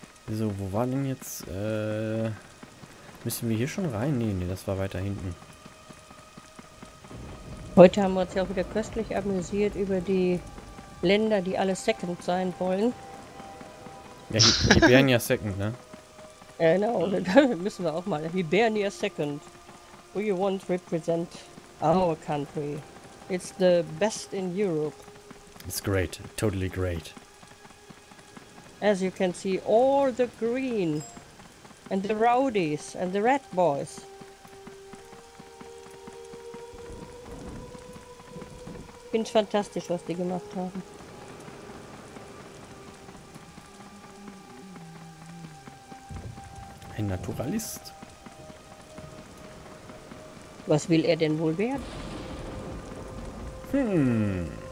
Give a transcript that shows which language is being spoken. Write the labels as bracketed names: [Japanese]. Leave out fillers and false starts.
[German] So, wo war denn jetzt, müssen wir hier schon rein? Nee, nee, das war weiter hinten. Heute haben wir uns ja auch wieder köstlich amüsiert über die Länder, die alle Second sein wollen. Ja, Hibernia Second, ne? Ja, genau, da müssen wir auch mal. Hibernia Second. [English] We want to represent our country. It's the best in Europe. It's great. Totally great. As you can see, all the green and the rowdies and the red boys. [German] Ich find's fantastisch, was die gemacht haben. Ein Naturalist? Was will er denn wohl werden?